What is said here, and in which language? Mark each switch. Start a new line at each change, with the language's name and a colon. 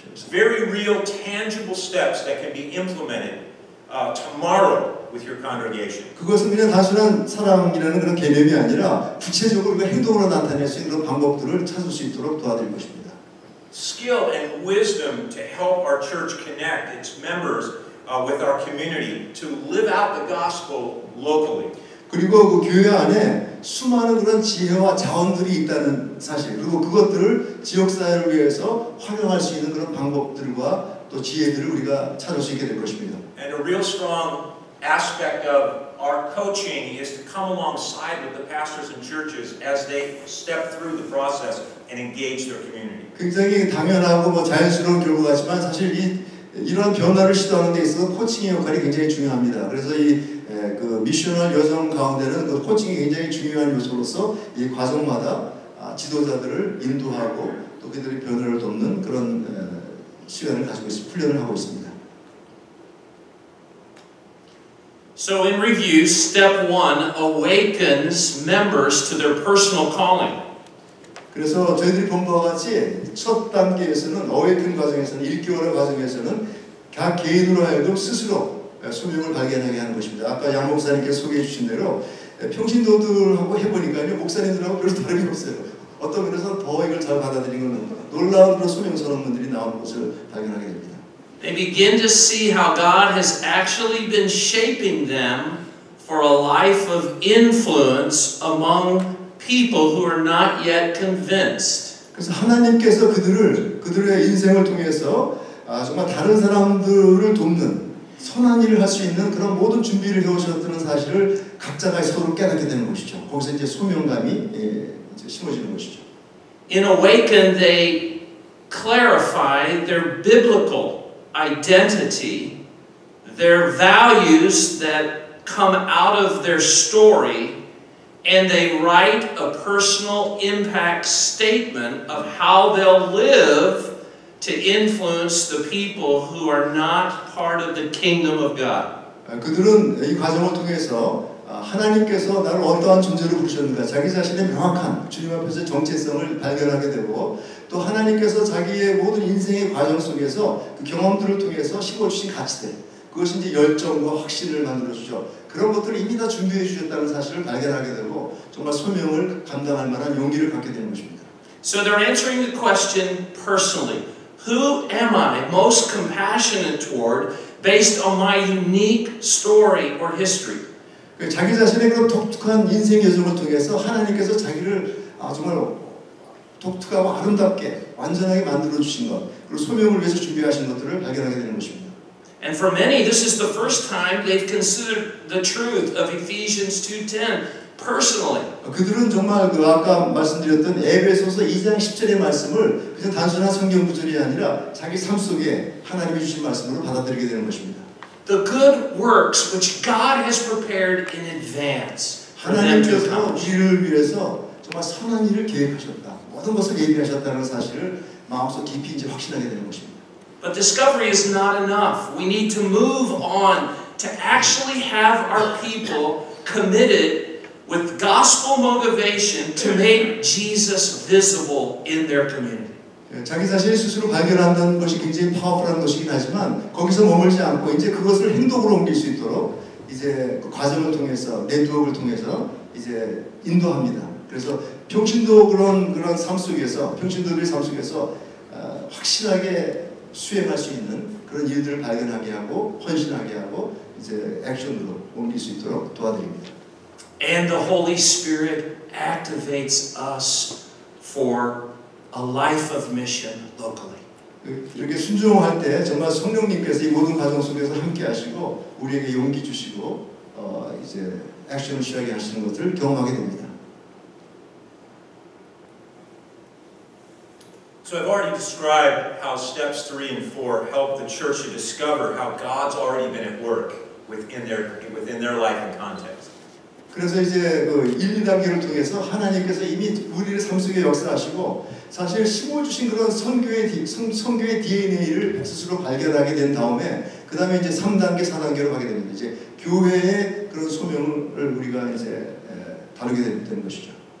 English: Very real, tangible steps that can be implemented tomorrow. With your congregation.
Korean: 그것은 그냥 단순한 사랑이라는 그런 개념이 아니라 구체적으로 그 행동으로 나타낼 수 있는 방법들을 찾을 수 있도록 도와드릴 것입니다.
English: Skill and wisdom to help our church connect its members with our community to live out the gospel locally.
Korean: 그리고 그 교회 안에 수많은 그런 지혜와 자원들이 있다는 사실, 그리고 그것들을 지역 사회를 위해서 활용할 수 있는 그런 방법들과 또 지혜들을 우리가 찾을 수 있게 될 것입니다.
English: And a real strong aspect of our coaching is to come alongside with the pastors and churches as they step through the process and engage their community.
Korean: 굉장히 당연하고 뭐 자연스러운 결과지만 사실 이 이런 변화를 시도하는 데 있어서 코칭의 역할이 굉장히 중요합니다. 그래서 이 그 미셔널 여성 가운데는 그 코칭이 굉장히 중요한 요소로서 이 과정마다 지도자들을 인도하고 또 그들의 변화를 돕는 그런 시간을 가지고 있어 훈련을 하고 있습니다.
English: So in review, step one awakens members to their personal calling.
Korean: 그래서 저희들이 본바와 같이 첫 단계에서는 awaken 과정에서는 일깨워라 과정에서는 각 개인으로 하여금 스스로 소명을 발견하게 하는 것입니다. 아까 양 목사님께 소개해 주신 대로 평신도들하고 해보니까요 목사님들하고 별로 다름이 없어요. 어떤 면에서 더 이걸 잘 받아들이는 놀라운 그런 소명 선언문들이 나온 것을 발견하게 됩니다.
English: They begin to see how God has actually been shaping them for a life of influence among people who are not yet convinced.
Korean: 그래서 하나님께서 그들의 인생을 통해서 정말 다른 사람들을 돕는 선한 일을 할 수 있는 그런 모든 준비를 해오셨다는 사실을 각자가 서로 깨닫게 되는 것이죠. 거기서 이제 소명감이 이제 심어지는 것이죠.
English: In awaken, they clarify their biblical identity, their values that come out of their story, and they write a personal impact statement of how they'll live to influence the people who are not part of the kingdom of God.
Korean: 그들은 이 과정을 통해서 하나님께서 나를 어떠한 존재로 부르셨는가 자기 자신의 명확한 주님 앞에서 정체성을 발견하게 되고 또 하나님께서 자기의 모든 인생의 과정 속에서 그 경험들을 통해서 심어주신 가치들 그것이 이제 열정과 확신을 만들어주죠. 그런 것들을 이미 다 준비해 주셨다는 사실을 발견하게 되고 정말 소명을 감당할 만한 용기를 갖게 되는 것입니다.
English: So they're answering the question personally. Who am I most compassionate toward based on my unique story or history?
Korean: 자기 자신의 그런 독특한 인생 여정을 통해서 하나님께서 자기를 정말 독특하고 아름답게 완전하게 만들어 주신 것, 그리고 소명을 위해서 준비하신 것들을 발견하게 되는 것입니다.
English: And for many, this is the first time they've considered the truth of Ephesians 2:10 personally.
Korean: 그들은 정말 그 아까 말씀드렸던 에베소서 2장 10절의 말씀을 그냥 단순한 성경 구절이 아니라 자기 삶 속에 하나님이 주신 말씀으로 받아들이게 되는 것입니다.
English: The good works which God has prepared in advance.
Korean: 하나님께서 일을 위해서 정말 선한 일을 계획하셨다. 모든 것을 예비하셨다는 사실을 마음속 깊이 이제 확신하게 되는 것입니다.
English: But discovery is not enough. We need to move on to actually have our people committed with gospel motivation to make Jesus visible in their community.
Korean: 자기 자신을 스스로 발견한다는 것이 굉장히 파워풀한 것이긴 하지만 거기서 머물지 않고 이제 그것을 행동으로 옮길 수 있도록 이제 그 과정을 통해서 네트워크를 통해서 이제 인도합니다. 그래서 평신도 그런 삶 속에서 평신도들의 삶 속에서 확실하게 수행할 수 있는 그런 일들을 발견하게 하고 헌신하게 하고 이제 액션으로 옮길 수 있도록 도와드립니다.
English: And the Holy Spirit activates us for a life of mission locally.
Korean: 이렇게 순종할 때 정말 성령님께서 이 모든 과정 속에서 함께하시고 우리에게 용기 주시고 이제 액션을 취하게 하시는 것을 경험하게 됩니다.
English: So I've already described how steps 3 and 4 help the church to discover how God's already been at work within their life and context.
Korean: 그래서 이제 그 1, 2단계를 통해서 하나님께서 이미 우리를 삶 속에 역사하시고 사실 심어주신 그런 선교의 DNA를 스스로 발견하게 된 다음에 그 다음에 이제 3단계, 4단계로 가게 됩니다. 이제 교회의 그런 소명을 우리가 이제 다루게 되는 것이죠.